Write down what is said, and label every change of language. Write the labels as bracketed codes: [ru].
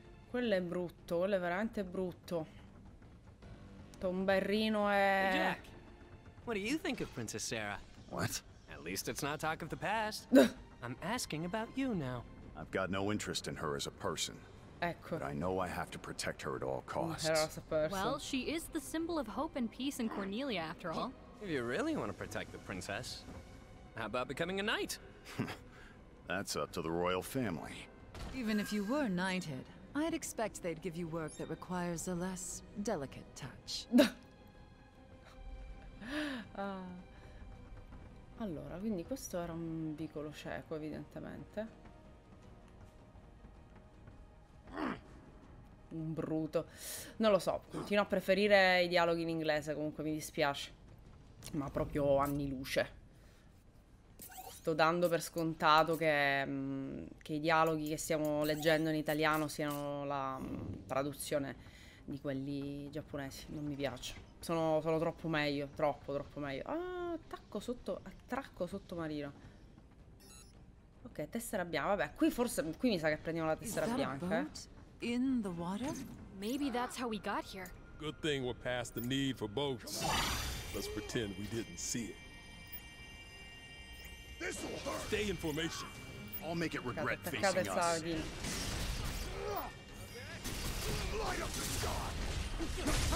[it] Quello è brutto, quello è veramente brutto. Tomberrino è... [en] Jack, what do you think of Princess Sarah? What? At least it's not talk of the past. I'm asking about you now. I've got no interest in her as a person. [it] Ecco. [en] But I know I have to protect her at all costs. Well, she is the symbol of hope and peace in Cornelia, after all. If you really want to protect the princess, how about becoming a knight? That's up to the royal family. Even if you were knighted, I'd expect they'd give you work that requires a less delicate touch. [it] Allora, quindi questo era un vicolo cieco, evidentemente. Un bruto. Non lo so, continuo a preferire i dialoghi in inglese, comunque mi dispiace. Ma proprio anni luce. Sto dando per scontato che i dialoghi che stiamo leggendo in italiano siano la traduzione di quelli giapponesi. Non mi piace. Sono troppo meglio, troppo meglio. Ah, attacco sotto, attracco sottomarino. Ok, tessera bianca. Vabbè, qui forse, qui mi sa che prendiamo la tessera bianca. [en] In the water? Maybe that's how we got here. Good thing we're past the need for boats. Let's pretend we didn't see it. This will hurt. Stay in formation. I'll make it regret facing us. Sagi. Light up the sky.